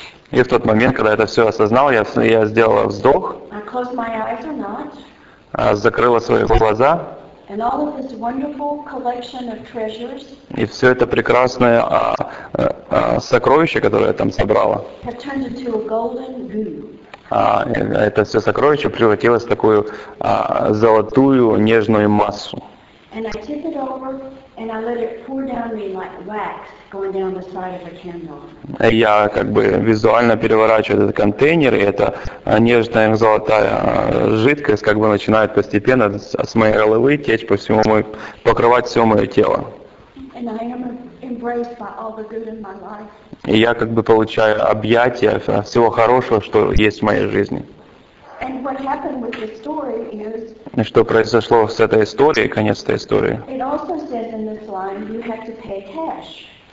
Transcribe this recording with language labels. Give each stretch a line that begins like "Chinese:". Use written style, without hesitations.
Russian: И в тот момент, когда это все осознал, я сделала вздох,
English: I close my eyes or not.
Russian: Закрыла свои глаза.
English: And all of this wonderful collection of treasures
Russian: и все это прекрасное сокровище, которое я там собрала,
English: have turned into a golden goo.
Russian: Это все сокровище превратилось в такую золотую нежную массу.
English: And I tip it over, and I let it pour down me like wax going down the side of a candle.
Russian: Я как бы визуально переворачиваю этот контейнер, и эта нежная золотая жидкость как бы начинает постепенно с моей головы течь по всему мой, покрывать все мое тело.
English: And I am embraced by all the good in my life.
Russian: И я как бы получаю объятия всего хорошего, что есть в моей жизни.
English: And what happened with the story is,
Russian: и что произошло с этой историей, конец этой истории.
English: It also says in this line, you have to pay cash.